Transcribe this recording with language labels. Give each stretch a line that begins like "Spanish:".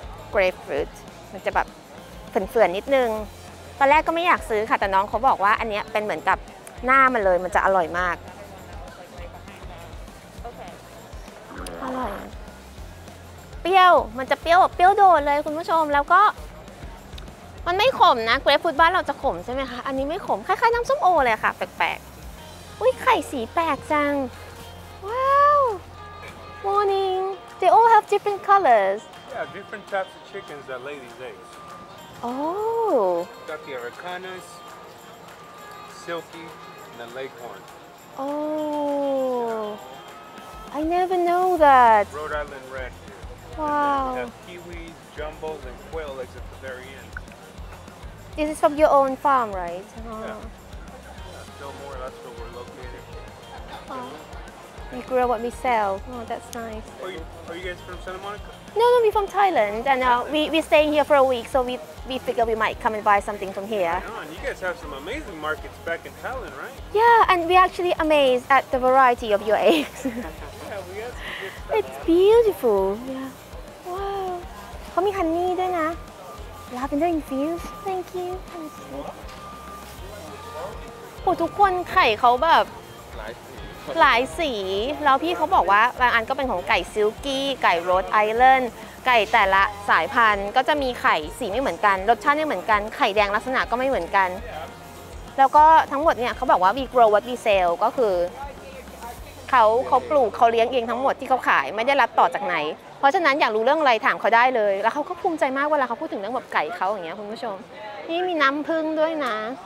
Thai: เกรปฟรุตมันจะแบบเฟื่อนๆนิดนึงตอนแรกก็ไม่อยากซื้อค่ะแต่น้องเขาบอกว่าอันนี้เป็นเหมือนกับหน้ามันเลยมันจะอร่อยมากอร่อยเปรี้ยวมันจะเปรี้ยวโดดเลยคุณผู้ชมแล้วก็มันไม่ขมนะเกรปฟรุตบ้านเราจะขมใช่ไหมคะอันนี้ไม่ขมคล้ายๆน้ำส้มโอเลยค่ะแปลกๆอุ้ยไข่สีแปลกจังว้าว
English: morning they all have different colors yeah different types of chickens that ladies eat got the Araucanas, Silky, and the Leghorn. I never know that. Rhode Island Red. Wow. We have kiwis, jumbles, and quail eggs at the very end. This is from your own farm, right? Yeah. Fillmore, that's where we're located. We grow what we sell. Oh, that's nice. Are you guys from Santa Monica? No, we're from Thailand, and we're staying here for a week, so we figure we might come and buy something from here. You guys have some amazing markets back in Thailand, right? Yeah, and we're actually amazed at the variety of your eggs. Yeah, we got some good stuff. It's beautiful. Yeah. Wow.
Thai: เขามีฮันนี่ด้วยนะ
English: Lavender infused. Thank you.
Thai: Oh, ทุกคนไข่เขาแบบหลายสีแล้วพี่เขาบอกว่าบางอันก็เป็นของไก่ซิลกี้ไก่โรดไอแลนด์ไก่แต่ละสายพันธุ์ก็จะมีไข่สีไม่เหมือนกันรสชาติไม่เหมือนกันไข่แดงลักษณะก็ไม่เหมือนกันแล้วก็ทั้งหมดเนี่ยเขาบอกว่า
English: we grow what we sell
Thai: ก็คือเขาปลูกเขาเลี้ยงเองทั้งหมดที่เขาขายไม่ได้รับต่อจากไหนเพราะฉะนั้นอยากรู้เรื่องอะไรถามเขาได้เลยแล้วเขาก็ภูมิใจมากเวลาเขาพูดถึงเรื่องแบบไก่เขาอย่างเงี้ยคุณผู้ชมนี่มีน้ำผึ้งด้วยนะ